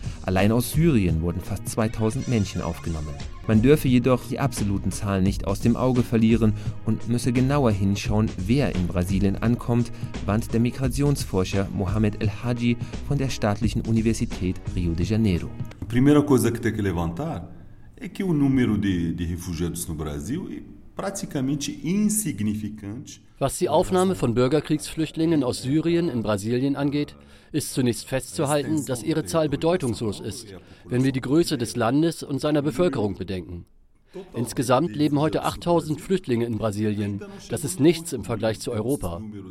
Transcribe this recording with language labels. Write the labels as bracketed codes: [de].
[de] Allein aus Syrien wurden fast 2000 Menschen aufgenommen. Man dürfe jedoch die absoluten Zahlen nicht aus dem Auge verlieren und müsse genauer hinschauen, wer in Brasilien ankommt, warnt der Migrationsforscher Mohamed El Hadji von der staatlichen Universität Rio de Janeiro. [pt] Die primeira coisa que tem que levantar é que o número de refugiados no Brasil é praticamente insignificante. [de] Was die Aufnahme von Bürgerkriegsflüchtlingen aus Syrien in Brasilien angeht, ist zunächst festzuhalten, dass ihre Zahl bedeutungslos ist, wenn wir die Größe des Landes und seiner Bevölkerung bedenken. Insgesamt leben heute 8000 Flüchtlinge in Brasilien. Das ist nichts im Vergleich zu Europa.